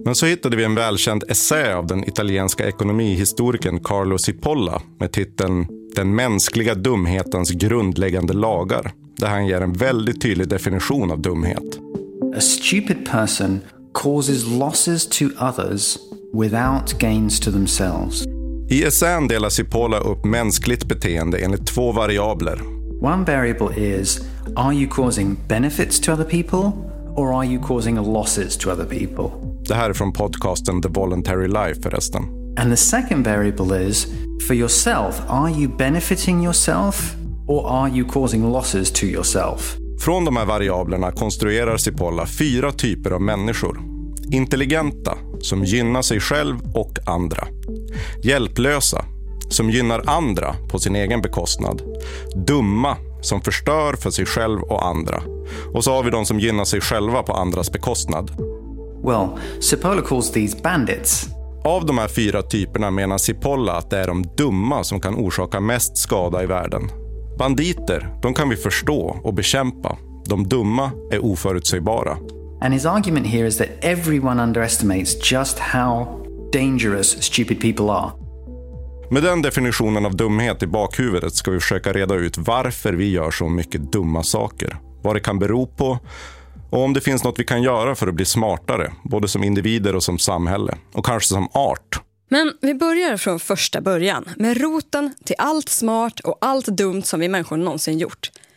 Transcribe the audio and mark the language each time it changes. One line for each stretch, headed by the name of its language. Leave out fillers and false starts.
Swedish: Men så hittade vi en välkänd essä av den italienska ekonomihistorikern Carlo Cipolla med titeln Den mänskliga dumhetens grundläggande lagar, där han ger en väldigt tydlig definition av dumhet.
English: A stupid person causes losses to others without gains to themselves.
Swedish: I essän delar Cipolla upp mänskligt beteende enligt 2 variabler.
English: One variable is, are you causing benefits to other people or are you causing losses to other people?
Swedish: Det här är från podcasten The Voluntary Life förresten.
English: And the second variable is, for yourself, are you benefiting yourself or are you causing losses to yourself?
Swedish: Från de här variablerna konstruerar Cipolla 4 typer av människor. Intelligenta, som gynnar sig själv och andra. Hjälplösa, som gynnar andra på sin egen bekostnad. Dumma, som förstör för sig själv och andra. Och så har vi de som gynnar sig själva på andras bekostnad.
English: Well, Cipolla calls these bandits.
Swedish: Av de här 4 typerna menar Cipolla att det är de dumma som kan orsaka mest skada i världen. Banditer, de kan vi förstå och bekämpa. De dumma är oförutsägbara.
English: And his argument here is that everyone underestimates just how dangerous stupid people are.
Swedish: Med den definitionen av dumhet i bakhuvudet ska vi försöka reda ut varför vi gör så mycket dumma saker. Vad det kan bero på och om det finns något vi kan göra för att bli smartare, både som individer och som samhälle. Och kanske som art. Men vi börjar från första början, med roten till allt smart och allt dumt som vi människor någonsin gjort.